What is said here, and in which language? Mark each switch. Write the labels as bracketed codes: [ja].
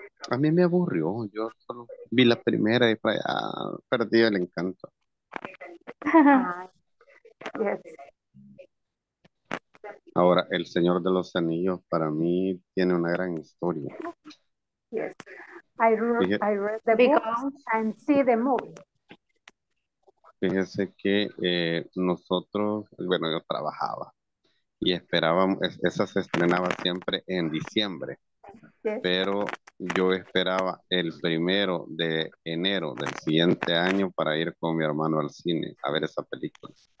[es] A mí me aburrió, yo solo vi la primera y perdí el encanto. [en] Yes. [es] Ahora, El Señor de los Anillos para mí tiene una gran historia. [en] Yes, I read the book and see the movie. [es] Fíjese que nosotros, bueno, yo trabajaba y esperábamos, esa se estrenaba siempre en diciembre. Pero yo esperaba el primero de enero del siguiente año para ir con mi hermano al cine a ver esa película.